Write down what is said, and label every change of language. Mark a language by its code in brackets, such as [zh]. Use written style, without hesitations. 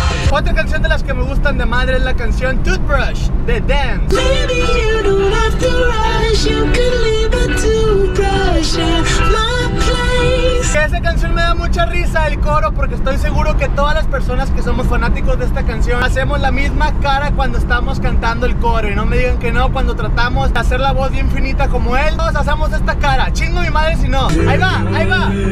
[es] Otra canción de las que me gustan de madre es la canción Toothbrush, de Dance. [en] Baby, you don't have to rush, you can leave a toothbrush at my place. [es] Esa canción me da mucha risa, el coro, porque estoy seguro que todas las personas que somos fanáticos de esta canción hacemos la misma cara cuando estamos cantando el coro. Y no me digan que no, cuando tratamos de hacer la voz bien finita como él, todos hacemos esta cara, chingo mi madre si no. Ahí va, ahí va.